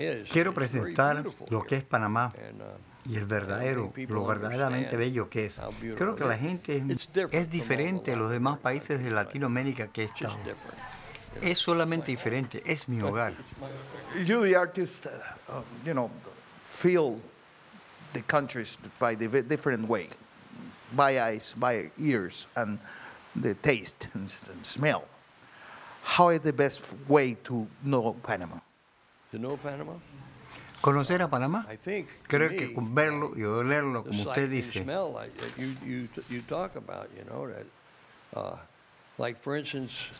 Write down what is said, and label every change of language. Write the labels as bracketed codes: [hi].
[es] Quiero presentar lo que es Panamá y el verdadero, lo verdaderamente bello que es. Creo que la gente es diferente a los demás países de Latinoamérica que he estado. Es solamente diferente, es mi hogar. [en] You the artist, you know, feel the countries by the different way, by eyes, by ears, and the taste and smell. How is the best way to know Panama? To know Panama? [es] ¿Conocer a Panamá? Creo que con verlo y olerlo, como usted dice. [en] You talk about, you know, that, like for instance,